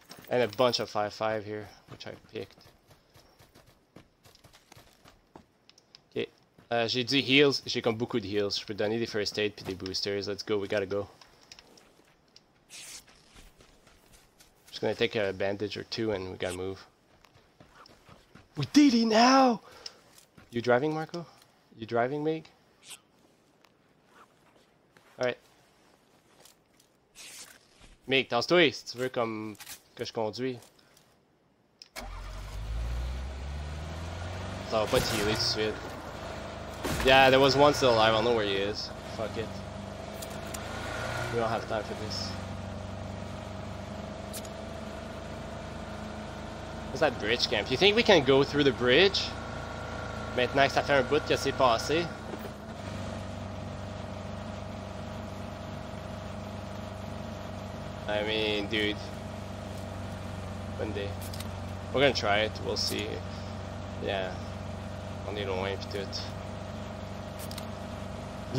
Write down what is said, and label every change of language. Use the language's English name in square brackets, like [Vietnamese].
[English] And a bunch of 5.5 here, which I picked. [French] Okay, j'ai du heals, j'ai comme beaucoup de heals. Je peux donner des first aid puis des boosters. [English] Let's go, we gotta go. Just gonna take a bandage or two and we gotta move. We did it now! You driving, Marco? You driving, Meg? Alright. [French] Meg, tasse-toi si tu veux comme... Que je conduis. Ça va pas te healer tout de suite. [English] Yeah, there was one still alive, I don't know where he is. Fuck it. We don't have time for this. What's that bridge camp? You think we can go through the bridge? [French] Maintenant que ça fait un bout que c'est passé. [English] I mean, dude. One day. We're gonna try it, we'll see. Yeah. [French] On est loin pis tout.